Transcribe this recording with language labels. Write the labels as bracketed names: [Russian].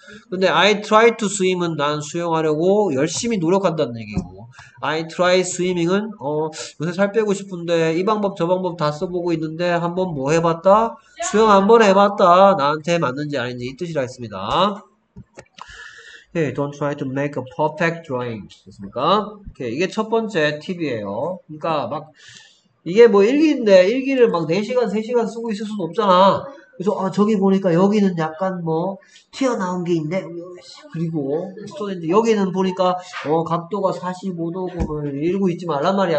[Korean] 근데 [English] I try to swim [Korean] 은 난 수영하려고 열심히 노력한다는 얘기고 [English] I try swimming [Korean] 은 요새 살 빼고 싶은데 이 방법 저 방법 다 써보고 있는데 한번 뭐 해봤다? 수영 한번 해봤다. 나한테 맞는지 아닌지 이 뜻이라 했습니다. [English] Okay, don't try to make a perfect drawing. [Korean] 됐습니까? Okay, 이게 첫 번째 팁이에요. 그러니까 막 이게 뭐 일기인데 일기를 막 4시간, 3시간 쓰고 있을 수는 없잖아. 그래서 아 저기 보니까 여기는 약간 뭐 튀어나온 게 있네. 그리고 여기는 보니까 각도가 45도고 뭐 이러고 있지 말란 말이야.